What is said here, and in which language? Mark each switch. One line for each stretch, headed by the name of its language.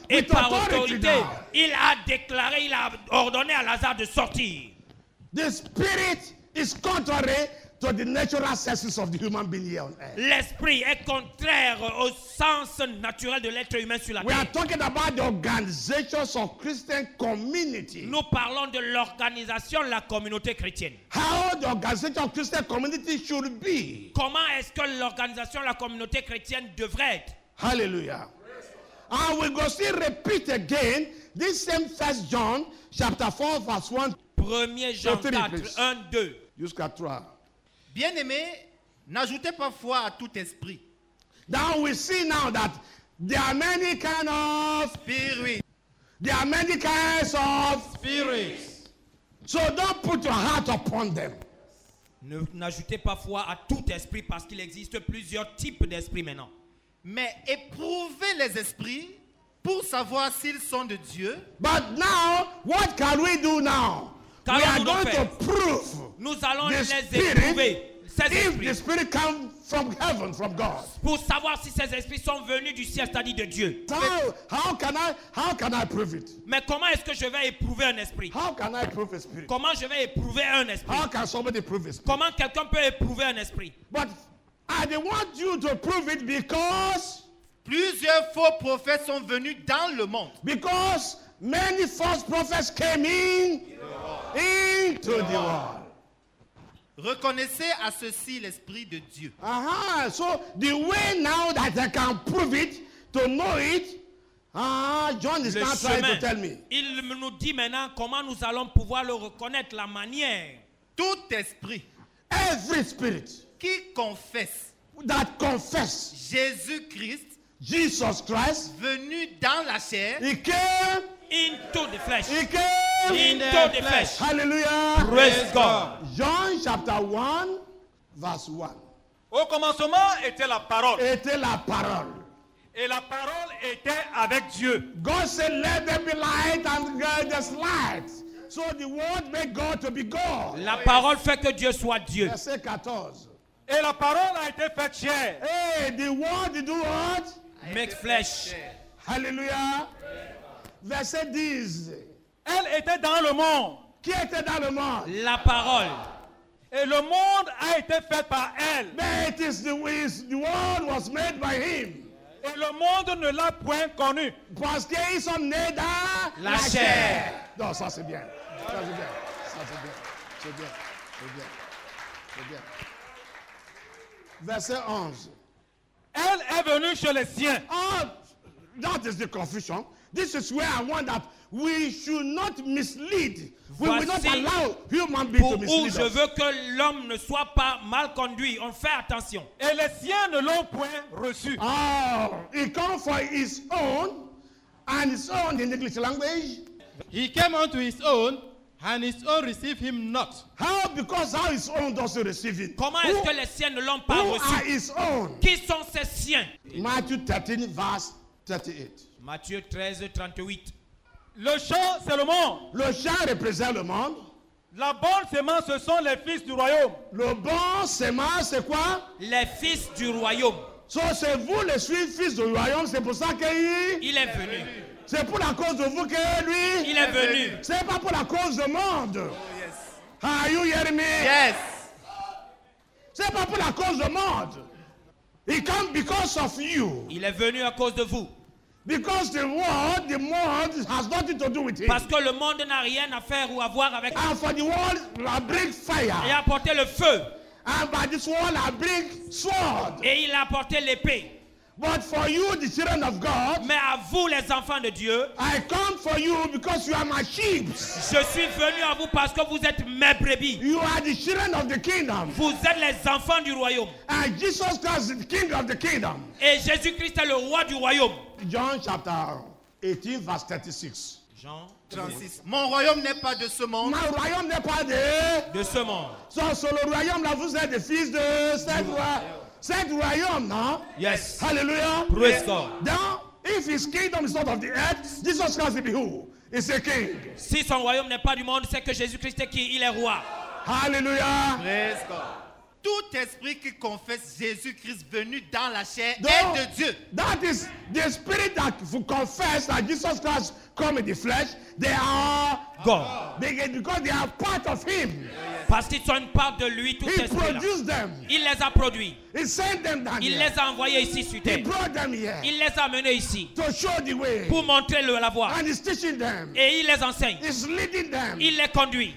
French: Et par autorité, il a déclaré, il a ordonné à Lazare de sortir.
English: The spirit is contrary to the natural senses of the human being here on earth.
French: L'esprit est contraire au sens naturel de l'être humain sur la terre.
English: We are talking about the organizations of Christian community.
French: Nous parlons de l'organisation de la communauté chrétienne.
English: How the organization of Christian community should be.
French: Comment est-ce que l'organisation de la communauté chrétienne devrait être?
English: Hallelujah. And we go still repeat again this same 1 John chapter 4 verse 1.
French: 1 Jean 4, 1, 2. Jusqu'à 3. Bien-aimé, n'ajoutez pas foi à tout esprit.
English: Now we see now that there are many kinds of spirits. There are many kinds of spirits. So don't put your heart upon them.
French: N'ajoutez pas foi à tout esprit parce qu'il existe plusieurs types d'esprits maintenant. Mais éprouvez les esprits pour savoir s'ils sont de Dieu.
English: But now, what can we do now? We are going to prove.
French: Nous allons les éprouver. Ces
English: if the spirit comes from heaven, from God.
French: Pour savoir si ces esprits sont venus du ciel, c'est-à-dire de Dieu.
English: How can I prove it?
French: Mais comment est-ce que je vais éprouver un esprit?
English: How can I prove a spirit?
French: Comment je vais éprouver un esprit?
English: How can somebody prove a spirit?
French: Comment quelqu'un peut éprouver un esprit?
English: But I don't want you to prove it because
French: plusieurs faux prophètes sont venus dans le monde.
English: Because many false prophets came in into the world.
French: Reconnaissez à ceci l'esprit de Dieu. Uh-huh.
English: So the way now that I can prove it, to know it, John is not trying to tell me.
French: Il nous dit maintenant comment nous allons pouvoir le reconnaître, la manière. Tout esprit.
English: Every spirit.
French: Qui confesse
English: that confess
French: Jésus Christ,
English: Jesus Christ,
French: venu dans la chair,
English: he came into the flesh, he came into the flesh. Hallelujah. Praise God. John chapter 1, verse 1.
French: Au commencement était la parole. Était la parole. Et la parole était avec Dieu.
English: God said, let there be light, and God is light. So the word made God to be God.
French: La parole fait que Dieu soit Dieu. Verset 14. Et la parole a été faite chair.
English: Hey, the word do what? Make flesh.
French: Hallelujah. Verset 10. Elle était dans le monde. Qui était dans le monde? La parole. Et le monde a été fait par elle.
English: But it is the word was made by him.
French: Et le monde ne l'a point connu. Parce qu'ils sont nés dans la chair. Non, ça c'est bien. Ça c'est bien. Ça c'est bien. C'est bien. C'est bien. C'est bien. Verset 11. Elle est venue chez les siens.
English: Oh, that is the confusion. This is where I want that we should not mislead. We will not allow human beings to mislead us.
French: Je veux que l'homme ne soit pas mal conduit. On fait attention. Et les siens ne l'ont point reçu.
English: Oh, he came for his own, and his own in English language. He came unto his own, and his own received him not. How? Because how his own doesn't receive him?
French: Comment est-ce que les siens ne l'ont pas
English: who
French: reçu?
English: Who are his own?
French: Qui sont ses siens?
English: Matthew 13, verse 38.
French: Matthieu 13, 38. Le champ, c'est le monde. Le champ représente le monde. La bonne semence, ce sont les fils du royaume. Le bon semence, c'est quoi? Les fils du royaume. So, c'est vous, les fils du royaume, c'est pour ça qu'il est venu. C'est pour la cause de vous que lui, il est venu. C'est pas pour la cause du monde.
English: Oh, yes. Are you hearing me? Yes.
French: C'est pas pour la cause du monde.
English: He came because of you.
French: Il est venu à cause de vous.
English: Because the world has nothing to do with it.
French: Parce que le monde n'a rien à faire ou à voir avec.
English: And for the world, I bring fire.
French: Et apporter le feu.
English: And by this world, I bring sword.
French: Et il a apporté l'épée.
English: But for you, the children of God.
French: Mais à vous, les enfants de Dieu.
English: I come for you because you are my sheep.
French: Je suis venu à vous parce que vous êtes mes brebis.
English: You are the children of the kingdom.
French: Vous êtes les enfants du royaume.
English: And Jesus Christ is the king of the kingdom.
French: Et Jésus-Christ est le roi du royaume. John chapter 18 verse 36. Jean 36. Mon royaume n'est pas de ce monde. Mon royaume n'est pas de ce monde. So le royaume là, vous êtes des fils de cette roi. Cet royaume, non?
English: Yes. Hallelujah. Praise God. Then, if his kingdom is not of the earth, Jesus Christ will be who? He's a king.
French: Si son royaume n'est pas du monde, c'est que Jésus-Christ est qui? Il est roi.
English: Hallelujah. Praise God.
French: Tout esprit qui confesse Jésus-Christ venu dans la chair est de Dieu.
English: That is the spirit that confess that Jesus Christ come in the flesh. They are God. Because they are part of him.
French: Parce qu'ils sont une part de lui, tout esprit.
English: He produced them.
French: Il les a produits.
English: He sent them down.
French: Il les a envoyés ici sur terre.
English: He brought them here.
French: Il les a amenés ici.
English: To show the way.
French: Pour montrer la voie.
English: And he's teaching them.
French: Et il les enseigne.
English: He's leading them.
French: Il les conduit.